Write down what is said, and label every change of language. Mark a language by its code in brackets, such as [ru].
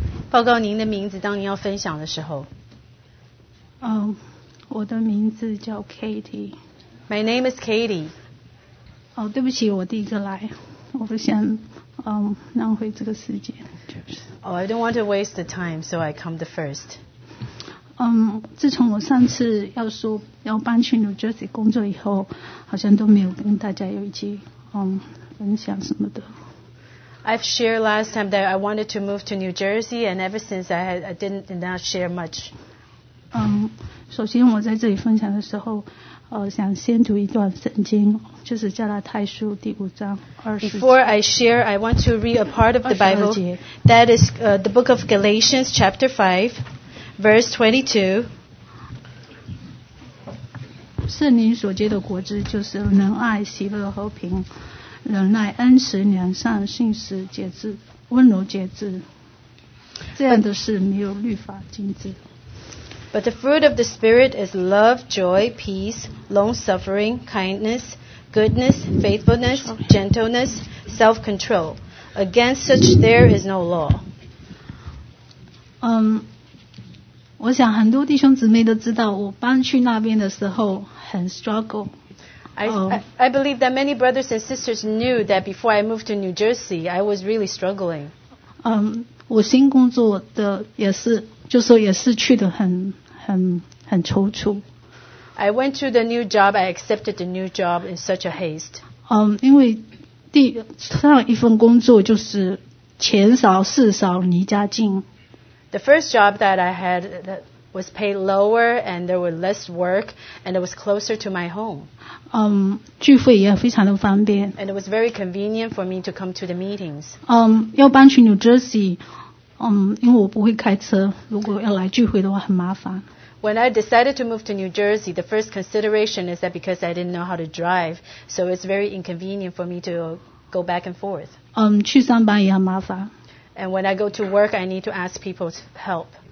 [zh] 报告您的名字，当您要分享的时候。我的名字叫 Katie。 [en] My name is Katie。 [zh] 哦，对不起，我第一个来，我不想浪费这个时间。 [en] Oh, I don't want to waste the time, so I come the first. [zh] 自从我上次要说要搬去 New Jersey 工作以后，好像都没有跟大家有一起分享什么的。 [en] I've shared last time that I wanted to move to New Jersey, and ever since I did not share much. [zh] 首先我在这里分享的时候，想先读一段圣经，就是加拉太书第五章二十节。 [en] Before I share, I want to read a part of the Bible. That is the book of Galatians, chapter 5, verse 22. [zh] 圣灵所结的果子就是仁爱、喜乐、和平、忍耐、恩慈、良善、信实、节制、温柔、节制。这样的事没有律法禁止。 [en] But the fruit of the Spirit is love, joy, peace, long-suffering, kindness, goodness, faithfulness, gentleness, self-control. Against such there is no law. [zh] 我想很多弟兄姊妹都知道，我搬去那边的时候很 struggle. [en] I believe that many brothers and sisters knew that before I moved to New Jersey, I was really struggling. [zh] 我新工作的也是，就是也是去得很很踌躇。 [en] I went to the new job. I accepted the new job in such a haste. [zh] 因为第上一份工作就是钱少事少离家近。 [en] The first job that I had that was paid lower and there was less work and it was closer to my home. [zh] 聚会也非常的方便。 [en] And it was very convenient for me to come to the meetings. [zh] 要搬去 New Jersey. 因为我不会开车，如果要来聚会的话很麻烦。 [en] When I decided to move to New Jersey, the first consideration is that because I didn't know how to drive, so it's very inconvenient for me to go back and forth. [zh] 去上班也很麻烦。 [en] And when I go to work, I need to ask people's help.